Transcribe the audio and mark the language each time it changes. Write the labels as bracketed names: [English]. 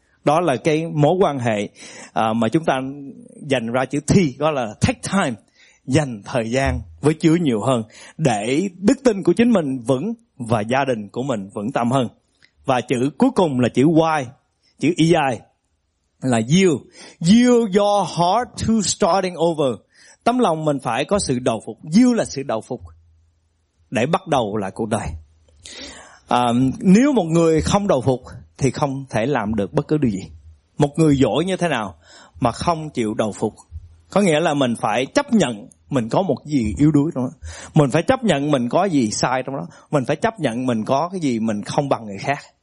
[Vietnamese] Đó là cái mối quan hệ mà chúng ta dành ra chữ thi, gọi là take time, dành thời gian với Chúa nhiều hơn để đức tin của chính mình vững và gia đình của mình vững tâm hơn. Và chữ cuối cùng là chữ why, chữ EI là yield. [English] Yield your heart to starting over. [Vietnamese] Tấm lòng mình phải có sự đầu phục. Yield là sự đầu phục để bắt đầu lại cuộc đời. Nếu một người không đầu phục thì không thể làm được bất cứ điều gì. Một người giỏi như thế nào mà không chịu đầu phục, có nghĩa là mình phải chấp nhận mình có một gì yếu đuối trong đó, mình phải chấp nhận mình có gì sai trong đó, mình phải chấp nhận mình có cái gì mình không bằng người khác.